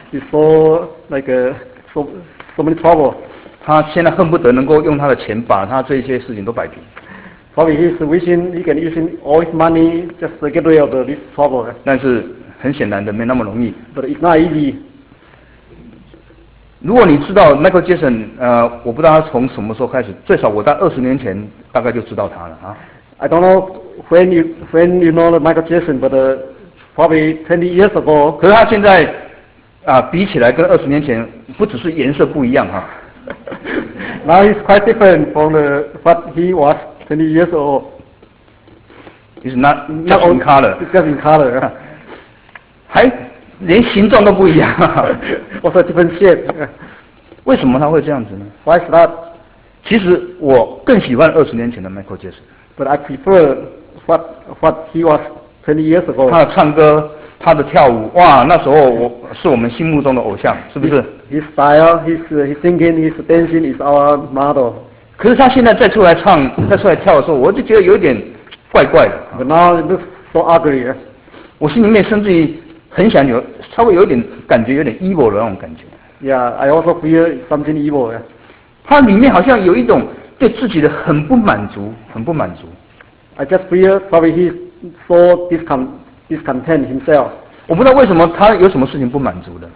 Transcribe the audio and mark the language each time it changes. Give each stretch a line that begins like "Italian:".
English: He saw like so many trouble.
Chinese: 他现在恨不得能够用他的钱把他这些事情都摆平。
English: Probably he's wishing he can use all his money just to get rid of this trouble.
Chinese: 但是很显然的，没那么容易。
English: But it's not easy.
Chinese: 如果你知道 Michael Jackson， 我不知道他从什么时候开始，最少我在二十年前大概就知道他了啊。
English: I don't know when you know Michael Jackson, but probably 20 years ago.
Chinese: 可是他现在啊、比起来跟二十年前，不只是颜色不一样哈、啊。
English: Now he's quite different from what he was. 20 years old. It's not just in color. It's just in color.
Chinese: 还连形状都不一样。
English: What's a different shape?
Chinese: 为什么他会这样子呢
English: ？Why is that?
Chinese: 其实我更喜欢二十年前的 Michael Jackson.
English: But I prefer what he was 20 years ago.
Chinese: 他的唱歌，他的跳舞，哇，那时候我是我们心目中的偶像，是不是
English: ？His style, his singing, his dancing is our model.
Chinese: 可是他现在再出来唱、再出来跳的时候，我就觉得有点怪怪的。
English: But now it looks so ugly.
Chinese: 我心里面甚至于很想有稍微有点感觉，有点 evil 的那种感觉。
English: Yeah, I also feel something evil.
Chinese: 他里面好像有一种对自己的很不满足，很不满足。
English: I just feel probably he's so discontent himself.
Chinese: 我不知道为什么他有什么事情不满足的。